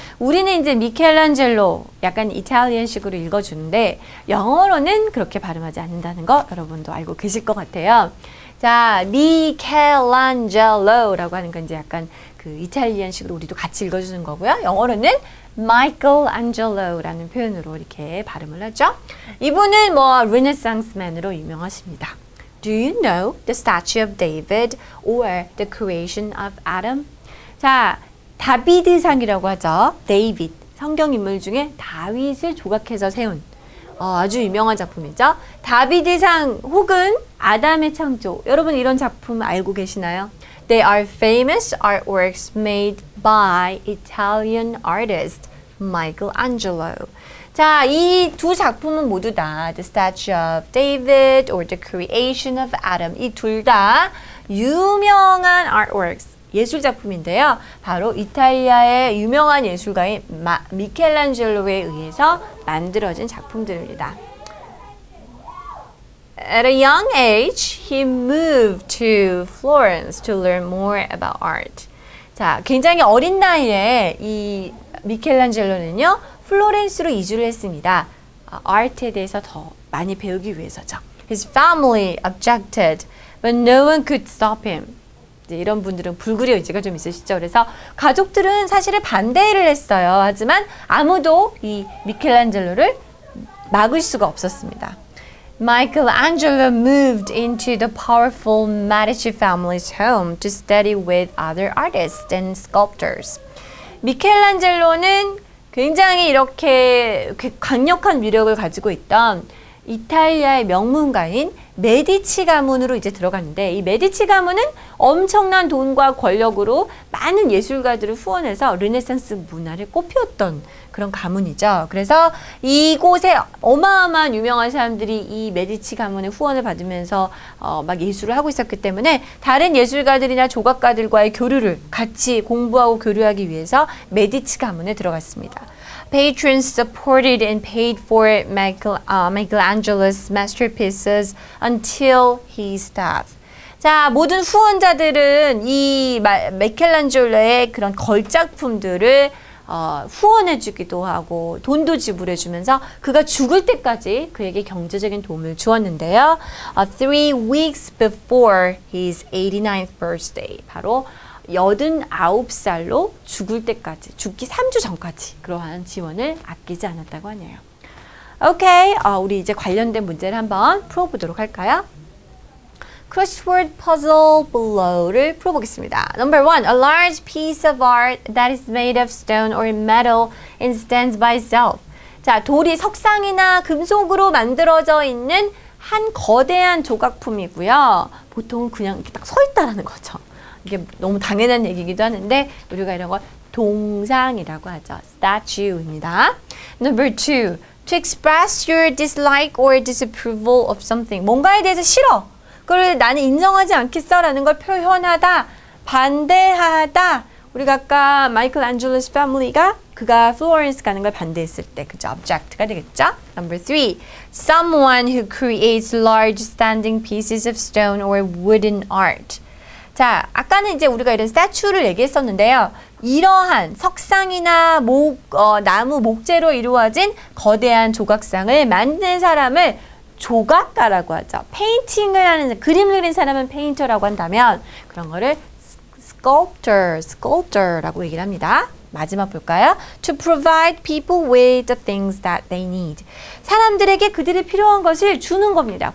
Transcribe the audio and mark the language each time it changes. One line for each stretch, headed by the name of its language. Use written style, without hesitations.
Korean: 우리는 이제 미켈란젤로 약간 이탈리안식으로 읽어주는데 영어로는 그렇게 발음하지 않는다는 거 여러분도 알고 계실 것 같아요. 자, 미켈란젤로라고 하는 건 이제 약간 그 이탈리안식으로 우리도 같이 읽어주는 거고요. 영어로는 마이클란젤로라는 표현으로 이렇게 발음을 하죠. 이분은 뭐 르네상스맨으로 유명하십니다.
English: Do you know the statue of David or the creation of Adam?
Korean: 자, 다비드상이라고 하죠. 데이빗, 성경 인물 중에 다윗을 조각해서 세운 아주 유명한 작품이죠. 다비드상 혹은 아담의 창조. 여러분 이런 작품 알고 계시나요?
English: They are famous artworks made by Italian artist Michelangelo.
Korean: 자, 이 두 작품은 모두 다
English: The Statue of David or The Creation of Adam.
Korean: 이 둘 다 유명한 artworks, 예술 작품인데요. 바로 이탈리아의 유명한 예술가인 미켈란젤로에 의해서 만들어진 작품들입니다.
English: At a young age, he moved to Florence to learn more about art.
Korean: 자, 굉장히 어린 나이에 이 미켈란젤로는요. 플로렌스로 이주를 했습니다. 아트에 대해서 더 많이 배우기 위해서죠.
English: His family objected, but no one could stop him.
Korean: 이제 이런 분들은 불굴의 의지가 좀 있으시죠. 그래서 가족들은 사실은 반대를 했어요. 하지만 아무도 이 미켈란젤로를 막을 수가 없었습니다.
English: Michelangelo moved into the powerful Medici family's home to study with other artists and sculptors.
Korean: 미켈란젤로는 굉장히 이렇게 강력한 위력을 가지고 있던 이탈리아의 명문가인 메디치 가문으로 이제 들어갔는데 이 메디치 가문은 엄청난 돈과 권력으로 많은 예술가들을 후원해서 르네상스 문화를 꽃피웠던 그런 가문이죠. 그래서 이곳에 어마어마한 유명한 사람들이 이 메디치 가문의 후원을 받으면서 막 예술을 하고 있었기 때문에 다른 예술가들이나 조각가들과의 교류를 같이 공부하고 교류하기 위해서 메디치 가문에 들어갔습니다.
English: Patrons supported and paid for Michelangelo's masterpieces until his death.
Korean: 자, 모든 후원자들은 이 미켈란젤로의 그런 걸작품들을 후원해주기도 하고 돈도 지불해주면서 그가 죽을 때까지 그에게 경제적인 도움을 주었는데요.
English: Three weeks before his 89th birthday,
Korean: 바로 89살로 죽을 때까지, 죽기 3주 전까지 그러한 지원을 아끼지 않았다고 하네요. 오케이, 우리 이제 관련된 문제를 한번 풀어보도록 할까요?
English: Crossword puzzle below
Korean: 를 풀어보겠습니다.
English: Number one, a large piece of art that is made of stone or metal and stands by itself.
Korean: 자, 돌이 석상이나 금속으로 만들어져 있는 한 거대한 조각품이고요. 보통은 그냥 이렇게 딱 서 있다라는 거죠. 이게 너무 당연한 얘기이기도 하는데 우리가 이런 걸 동상이라고 하죠. Statue입니다.
English: Number two, to express your dislike or disapproval of something.
Korean: 뭔가에 대해서 싫어. 그걸 나는 인정하지 않겠어 라는 걸 표현하다, 반대하다. 우리가 아까 마이클란젤로's family가 그가 플로렌스 가는 걸 반대했을 때 그죠?
English: Object가
Korean: 되겠죠?
English: Number three, someone who creates large standing pieces of stone or wooden art.
Korean: 자, 아까는 이제 우리가 이런 스태츄를 얘기했었는데요. 이러한 석상이나 나무 목재로 이루어진 거대한 조각상을 만든 사람을 조각가라고 하죠. 페인팅을 하는, 그림을 그린 사람은 페인터라고 한다면 그런 거를 sculptor라고 얘기를 합니다. 마지막 볼까요?
English: To provide people with the things that they need.
Korean: 사람들에게 그들이 필요한 것을 주는 겁니다.